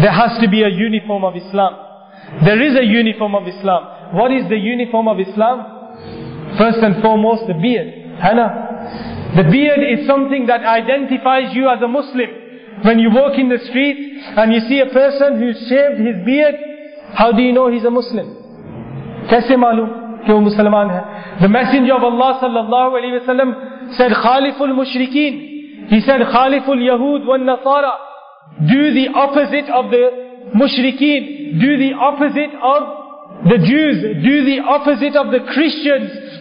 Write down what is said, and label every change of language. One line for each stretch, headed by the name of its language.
English: There has to be a uniform of Islam. There is a uniform of Islam. What is the uniform of Islam? First and foremost, the beard. Hana. The beard is something that identifies you as a Muslim. When you walk in the street and you see a person who shaved his beard, how do you know he's a Muslim?
Urdu: کیسے معلوم کی وہ مسلمان ہے?
English: The Messenger of Allah sallallahu alayhi wa sallam said,
Arabic: Khaliful Mushrikeen.
English: He said,
Arabic: Khaliful Yahud wa Nasara.
English: Do the opposite of the Mushrikeen, do the opposite of the Jews, do the opposite of the Christians.